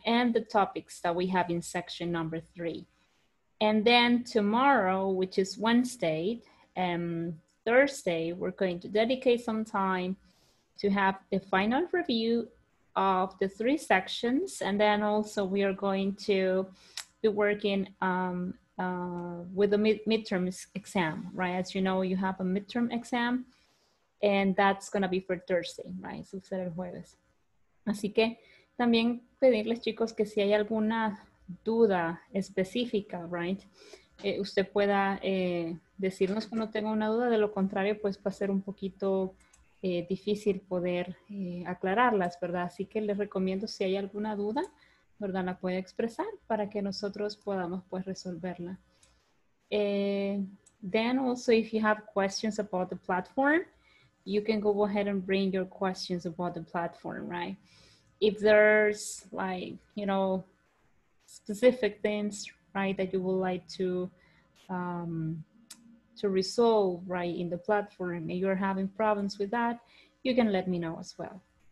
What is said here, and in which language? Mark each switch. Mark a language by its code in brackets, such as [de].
[en] And the topics that we have in section number 3. And then tomorrow, which is Wednesday and Thursday, we're going to dedicate some time to have the final review of the three sections, and then also we are going to be working with a midterm exam, right? As you know, you have a midterm exam, and that's gonna be for Thursday, right? [es] Sucede el jueves. Así que también pedirles, chicos, que si hay alguna duda específica, right, usted pueda decirnos cuando tenga una duda. De lo contrario, pues va a ser un poquito difícil poder aclararlas, ¿verdad? Así que les recomiendo, si hay alguna duda, ¿verdad?, la puede expresar para que nosotros podamos, pues, resolverla. [en] Then also, if you have questions about the platform, you can go ahead and bring your questions about the platform, right? If there's, like, you know, specific things, right, that you would like to resolve, right, in the platform, and you're having problems with that, you can let me know as well.